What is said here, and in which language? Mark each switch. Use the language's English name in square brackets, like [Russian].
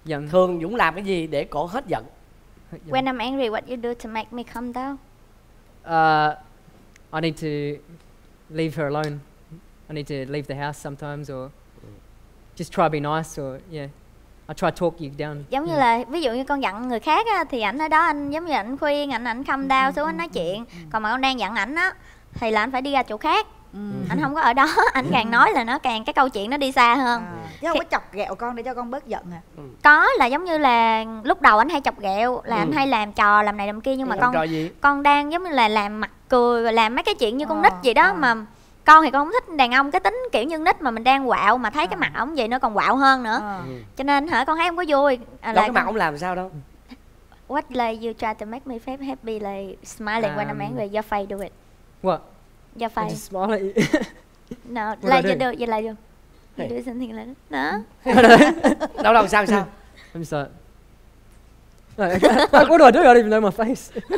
[Vietnamese] thường Dũng làm cái gì để cổ hết giận? [English] When I'm angry, what you do to make me calm down? I need to leave her alone. I need to leave the house sometimes or just try be nice or yeah, I try talk you down. [Vietnamese] Giống như là ví dụ như con giận người khác á, thì ảnh ở đó anh giống như ảnh khuyên, ảnh [English] calm down [Vietnamese] xuống, ảnh nói chuyện. Còn mà con đang giận ảnh á thì là anh phải đi ra chỗ khác. Anh không có ở đó, ảnh càng nói là nó càng cái câu chuyện nó đi xa hơn. Chứ không có chọc ghẹo con để cho con bớt giận à? Có, là giống như là lúc đầu anh hay chọc ghẹo là anh hay làm trò làm này làm kia, nhưng mà con đang giống như là làm mặt cười, làm mấy cái chuyện như con nít vậy đó. Mà con thì con không thích đàn ông cái tính kiểu như nít, mà mình đang quạo mà thấy cái mặt ổng vậy nó còn quạo hơn nữa. Cho nên hả, con thấy không có vui. Là cái mặt ổng làm sao đâu. [English] What like you try to make me feel happy, like smiling when I'm angry, your face do it. What? Your face. Just smile at you. No, what like you do, you like you. You do something like that. No. [Vietnamese] Đâu đâu, sao? [English] I'm sorry. Like, what do I do? I don't even know my face.